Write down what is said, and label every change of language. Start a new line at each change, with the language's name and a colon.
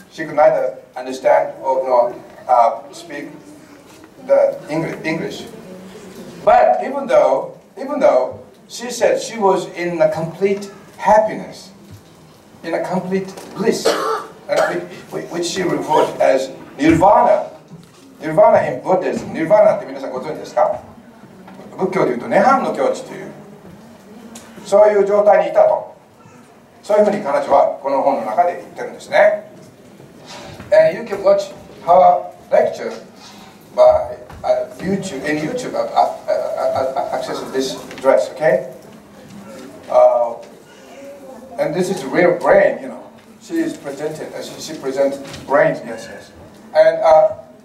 English: She could neither understand nor speak the English. But even though she said she was in a complete happiness, in a complete bliss, which she referred as nirvana. Nirvana in Buddhism.
Japanese: Nirvana って皆さんご存知ですか？仏教でいうと涅槃の境地という、そういう状態にいたと、そういうふうに彼女はこの本の中で言ってるんですね。
English: And you can watch her lecture by YouTube, in YouTube access this address, okay? And this is real brain, you know. She is presented, she presented brain, yes, yes.